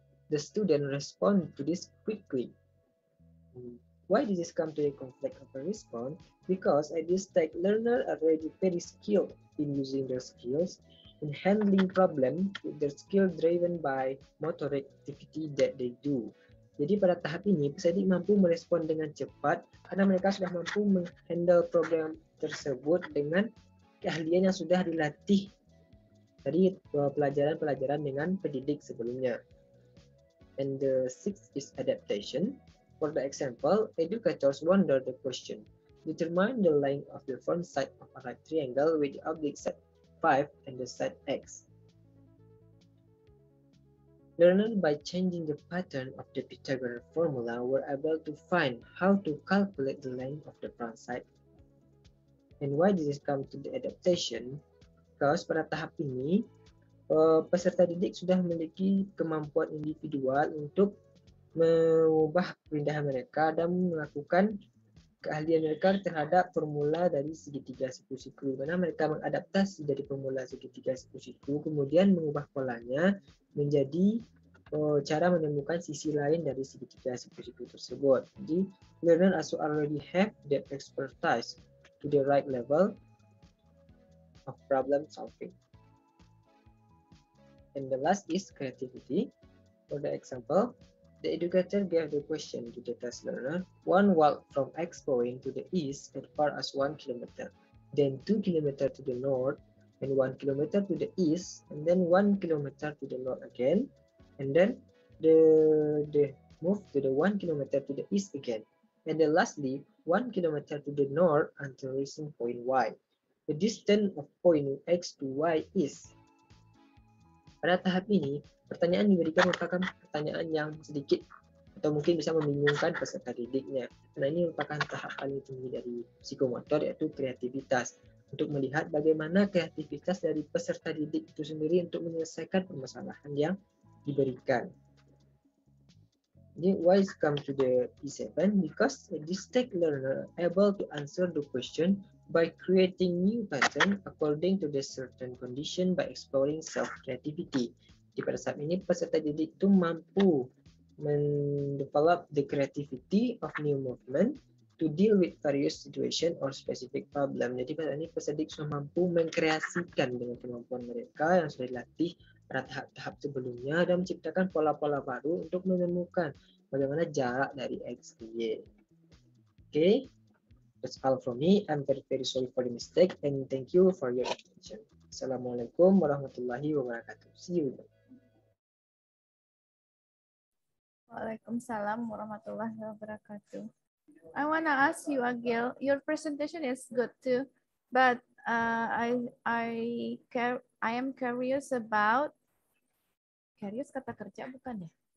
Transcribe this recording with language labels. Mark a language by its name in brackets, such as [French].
[English] The student respond to this quickly. Why did this come to a complex overt response? Because at this stage, learner already very skilled in using their skills in handling problem with their skill driven by motor activity that they do. [Indonesian] Jadi pada tahap ini, peserta didik mampu merespon dengan cepat karena mereka sudah mampu menghandle problem tersebut dengan keahlian yang sudah dilatih dari pelajaran-pelajaran dengan pendidik sebelumnya. [English] And the sixth is adaptation. For the example, educators wonder the question. Determine the length of the front side of a right triangle with the oblique side 5 and the side x. Learners by changing the pattern of the Pythagorean formula were able to find how to calculate the length of the front side. And why did this come to the adaptation? [Indonesian] Because pada tahap ini, peserta didik sudah memiliki kemampuan individual untuk mengubah perindahan mereka dan melakukan keahlian mereka terhadap formula dari segitiga siku-siku. Karena mereka mengadaptasi dari formula segitiga siku-siku, kemudian mengubah polanya menjadi cara menemukan sisi lain dari segitiga siku-siku tersebut. [English] Jadi, learner also already have that expertise to the right level of problem solving. And the last is creativity. For the example, the educator gave the question to the test learner, one walk from X point to the east as far as 1 kilometer, then 2 kilometer to the north, and 1 kilometer to the east, and then 1 kilometer to the north again, and then the move to the 1 kilometer to the east again. And then lastly, 1 kilometer to the north until reaching point Y. The distance of point X to Y is. [Indonesian] Pada tahap ini, pertanyaan diberikan merupakan pertanyaan yang sedikit atau mungkin bisa membingungkan peserta didiknya. Nah, ini merupakan tahapan tinggi dari psikomotor, yaitu kreativitas, untuk melihat bagaimana kreativitas dari peserta didik itu sendiri untuk menyelesaikan permasalahan yang diberikan. [English] Jadi, why it come to the P7? Because this tech learner able to answer the question by creating new pattern according to the certain condition by exploring self-creativity. [Indonesian] Di pada saat ini, peserta didik itu mampu mendevelop [English] the creativity of new movement to deal with various situation or specific problem. [Indonesian] Jadi pada ini peserta didik sudah mampu mengkreasikan dengan kemampuan mereka yang sudah dilatih pada tahap-tahap sebelumnya dan menciptakan pola-pola baru untuk menemukan bagaimana jarak dari X ke Y. [English] Okay. That's all from me. I'm very, very sorry for the mistake and thank you for your attention. [Arabic] Assalamualaikum warahmatullahi wabarakatuh. [English] See you. [Arabic] Waalaikumsalam warahmatullahi wabarakatuh. [English] I want to ask you, Agil, your presentation is good too, but I am curious about, curious [Indonesian] kata kerja bukan ya?